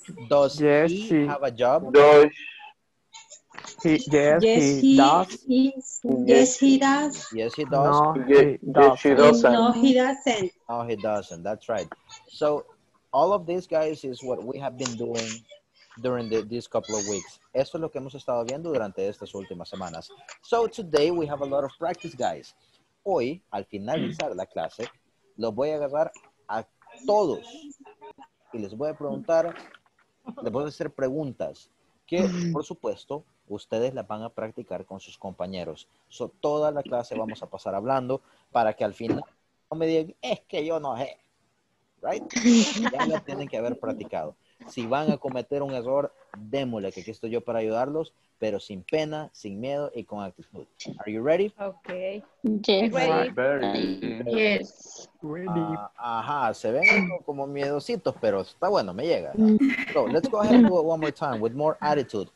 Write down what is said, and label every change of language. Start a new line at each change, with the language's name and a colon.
English: Does he have a job? Yes, he does. No, he doesn't. That's right. So, all of this, guys, is what we have been doing during these couple of weeks.
Spanish: Esto es lo que hemos estado viendo durante estas últimas semanas.
English: So, today we have a lot of practice, guys.
Spanish: Hoy, al finalizar la clase, los voy a agarrar a todos y les voy a preguntar, les voy a hacer preguntas que, por supuesto, ustedes las van a practicar con sus compañeros. So, toda la clase vamos a pasar hablando para que al final no me digan, es que yo no sé. Right? Ya lo tienen que haber practicado. Si van a cometer un error, démosle, que aquí estoy yo para ayudarlos, pero sin pena, sin miedo y con actitud.
English: Are you ready? Okay. Yes. Ready. Very. Yes.
Spanish: Ajá, se ven como miedositos, pero está bueno, me llega.
English: So, let's go ahead and do it one more time with more attitude.